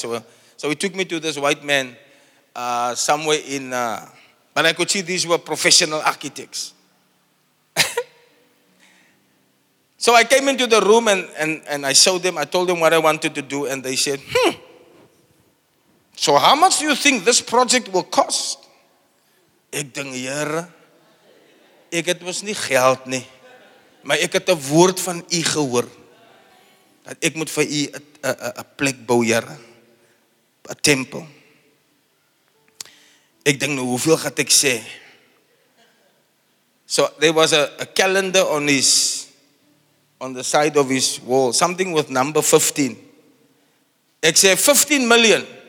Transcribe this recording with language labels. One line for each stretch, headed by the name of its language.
English: So he took me to this white man somewhere in, but I could see these were professional architects. So I came into the room and I showed them, I told them what I wanted to do, and they said, so how much do you think this project will cost?
Afrikaans: Ek ding Here, ek het mos nie geld nie, maar ek het 'n woord van u gehoor, dat ek moet vir u 'n plek bou, Here, 'n tempel. Ek ding nou, hoeveel gaat ek sê?
English: So there was a calendar on his, on the side of his wall, something with number 15.
Afrikaans: Ek sê
English: 15 million.